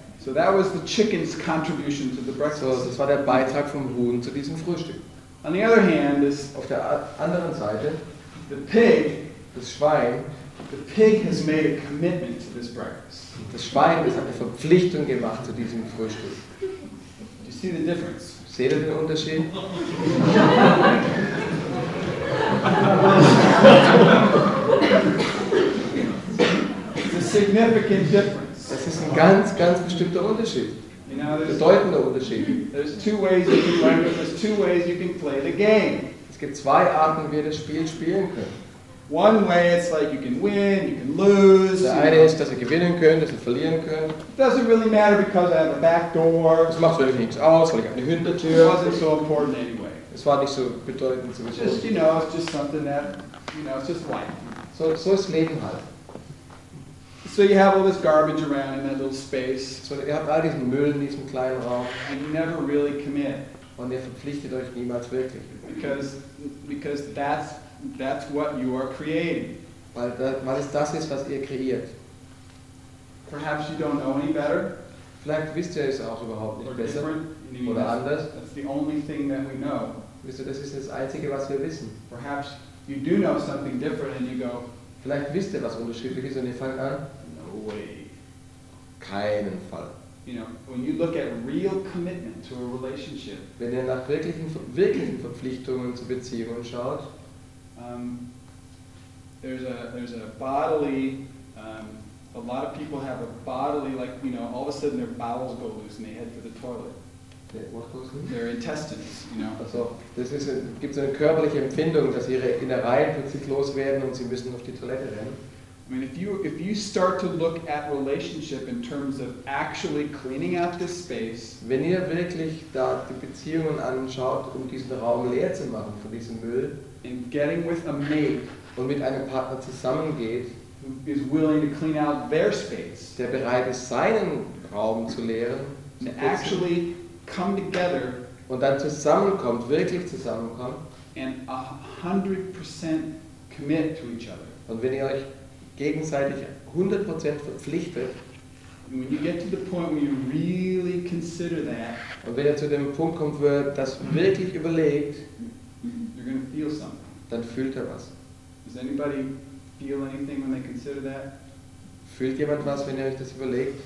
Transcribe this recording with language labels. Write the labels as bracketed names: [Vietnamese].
[English] So that was the chicken's contribution to the breakfast. [German] So, das war der Beitrag vom Huhn zu diesem Frühstück. [English] On the other hand, this [German] auf der anderen Seite. [English] The pig, [German] das Schwein, [English] the pig has made a commitment to this breakfast. [German] Das Schwein, das hat eine Verpflichtung gemacht zu diesem Frühstück. [English] Do you see the difference? [German] Seht ihr den Unterschied? [English] It's a significant difference. [German] Das ist ein ganz, ganz bestimmter Unterschied. Bedeutender Unterschied. [English] There's two ways you can learn, there's two ways you can play the game. [German] Es gibt zwei Arten, wie wir das Spiel spielen können. [English] One way it's like you can win, you can lose. [German] Der eine ist, dass ihr gewinnen könnt, dass ihr verlieren könnt. [English] Doesn't really matter because I have a back door. [German] Es macht wirklich nichts aus, weil ich habe eine Hintertür. [English] It wasn't so important anyway. [German] Es war nicht so bedeutend sowieso. [English] Just, you know, it's just something that, you know, it's just life. [German] So ist Leben halt. [English] So you have all this garbage around in that little space. [German] So ihr habt all diesen Müll in diesem kleinen Raum. [English] And you never really commit. [German] Und ihr verpflichtet euch niemals wirklich. [English] Because that's what you are creating. [German] Weil es das ist, was ihr kreiert. [English] Perhaps you don't know any better. [German] Vielleicht wisst ihr es auch überhaupt nicht [English] or [German] besser. [English] Different. [German] Oder anders. [English] That's the only thing that we know. [German] Wisst ihr, das ist das Einzige, was wir wissen. [English] Perhaps you do know something different and you go, [German] vielleicht wisst ihr, was unterschiedlich ist, und ihr fangt an. [English] No way. [German] Keinen Fall. [English] You know, when you look at real commitment to a relationship, [German] wenn ihr nach wirklichen Verpflichtungen zu Beziehungen schaut, [English] there's a bodily, a lot of people have a bodily, like, you know, all of a sudden their bowels go loose and they head for the toilet. What goes loose? Their intestines, you know. [German] Also, das ist, gibt's eine körperliche Empfindung, dass ihre Innereien plötzlich loswerden und sie müssen auf die Toilette rennen. [English] I mean, if you start to look at relationship in terms of actually cleaning out this space, [German] wenn ihr wirklich da die Beziehungen anschaut, um diesen Raum leer zu machen von diesem Müll, [English] and getting with a mate, [German] und mit einem Partner zusammengeht, [English] who is willing to clean out their space, [German] der bereit ist, seinen Raum zu leeren, [English] and actually come together, [German] und dann zusammenkommt, wirklich zusammenkommt, [English] and 100% commit to each other, [German] und wenn ihr euch gegenseitig 100% verpflichtet. [English] When you get to the point where you really consider that, [German] und wenn ihr zu dem Punkt kommt, wo ihr das wirklich überlegt, [English] you're gonna feel something. [German] Dann fühlt ihr was. [English] Does anybody feel anything when they consider that? [German] Fühlt jemand was, wenn ihr euch das überlegt?